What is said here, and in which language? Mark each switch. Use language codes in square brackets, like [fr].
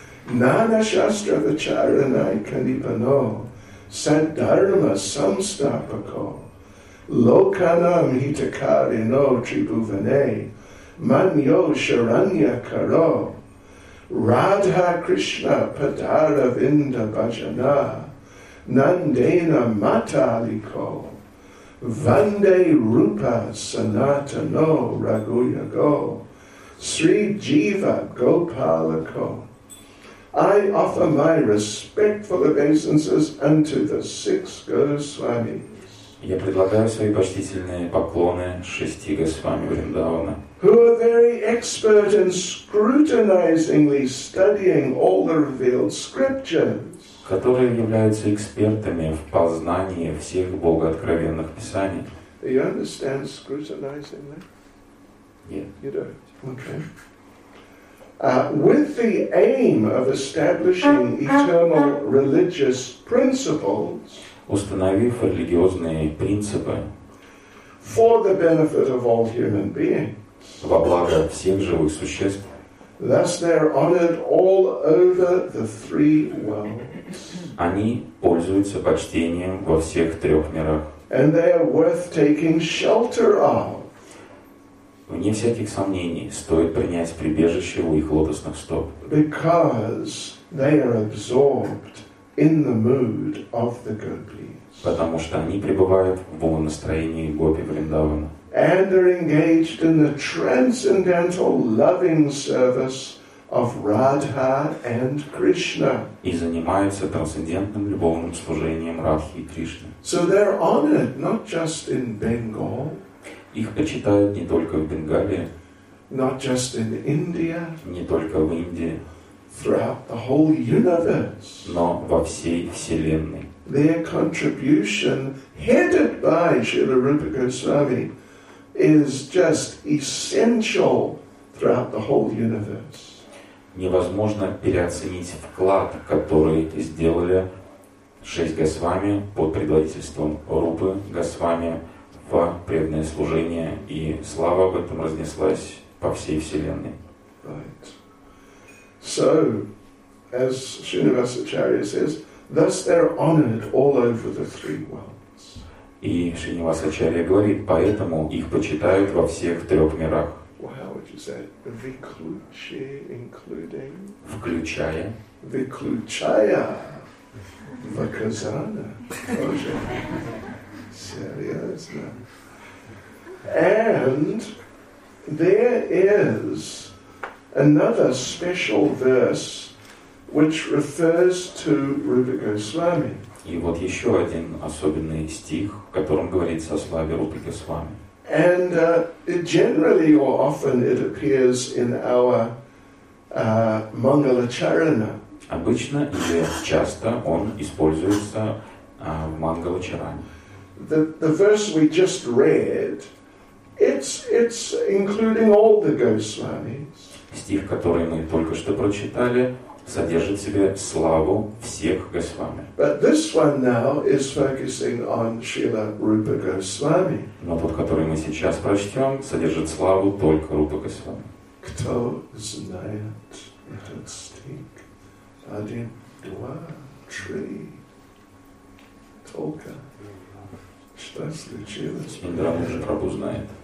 [sa] Nana Shastra Vacharanai Kalipano Saddharma Samstapako Lokanam Hitakarino Tribhuvane Manyo Sharanya Karo Radha Krishna Padara Vinda Bhajana Nandena Mataliko Vande Rupa Sanatano Raguyago Sri Jiva Gopalako. [en] I offer my respectful obeisances unto the six Goswamis. [ru] Я предлагаю свои почтительные поклоны шести Госвами Вриндавана. [en] Who are very expert in scrutinizingly studying all the revealed scriptures. [ru] Которые являются экспертами в познании всех богооткровенных писаний. [en] Do you understand scrutinizingly? Yeah. You don't. Okay. With the aim of establishing eternal religious principles, [ru] установив религиозные принципы, [en] for the benefit of all human beings, [ru] во благо всех живых существ, [en] thus they are honored all over the three worlds. [ru] Они пользуются почтением во всех трех мирах. [en] And they are worth taking shelter of. [ru] Вне всяких сомнений, стоит принять прибежище у их лотосных стоп. [en] Because they are absorbed in the mood of the gopis. [ru] Потому что они пребывают в настроении гопи Вриндавана. [en] And they're engaged in the transcendental loving service of Radha and Krishna. [ru] И занимаются трансцендентным любовным служением Радхи и Кришны. [en] So they're honored not just in Bengal. [ru] Их почитают не только в Бенгалии, [en] not just in India, [ru] не только в Индии, [en] throughout the whole universe, [ru] но во всей Вселенной. [en] Their contribution, headed by Srila Rupa Goswami, is just essential throughout the whole universe. [ru] Невозможно переоценить вклад, который сделали шесть Госвами под предводительством Рупы Госвами. Преданное служение и слава об этом разнеслась по всей Вселенной. [en] Right. So, as Srinivasacharya says, thus they're honored all over the three worlds. [ru] И Шринивасачария говорит, поэтому их почитают во всех трех мирах. [en] Wow, what you said. [ru] Виключи, [en] including. [ru] Включая. Виключая. Ваказана. Серьезно. [en] And there is another special verse which refers to Rupa Goswami. [ru] И вот еще один особенный стих, в котором говорится о славе Рупы Госвами. [en] And generally or often it appears in our Mangalacharana. [ru] Обычно или часто он используется в Мангалачаране. [en] The verse we just read. It's including all the Goswamis. [ru] Стих, который мы только что прочитали, содержит в себе славу всех Госвами. [en] But this one now is focusing on Srila Rupa Goswami. [ru] Но тот, который мы сейчас прочтем, содержит славу только Рупа Госвами. Кто знает этот стих? Один, два, три. Только. Что случилось? Синдрам уже Прабу знает.